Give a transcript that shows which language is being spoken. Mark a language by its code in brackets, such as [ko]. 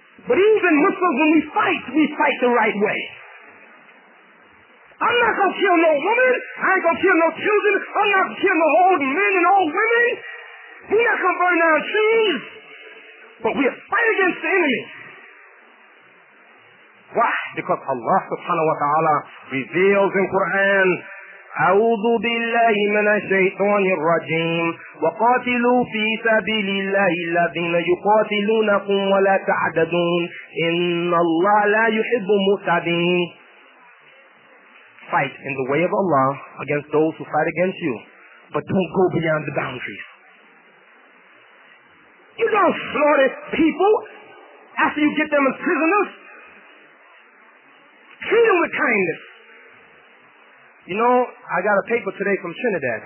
[en] But even Muslims, when we fight the right way. I'm not going to kill no woman. I ain't going to kill no children. I'm not going to kill no old men and old women. We not come burn down trees, but we fight against the enemy. Why? Because Allah subhanahu wa ta'ala reveals in Quran, [ar] أعوذ بالله من الشيطان الرجيم وقاتلوا في سبيل الله الذين يقاتلونكم ولا تعتدون إن الله لا يحب المعتدين. [en] Fight in the way of Allah against those who fight against you, but don't go beyond the boundaries. You don't slaughter people after you get them as prisoners. Treat them with kindness. You know, I got a paper today from Trinidad.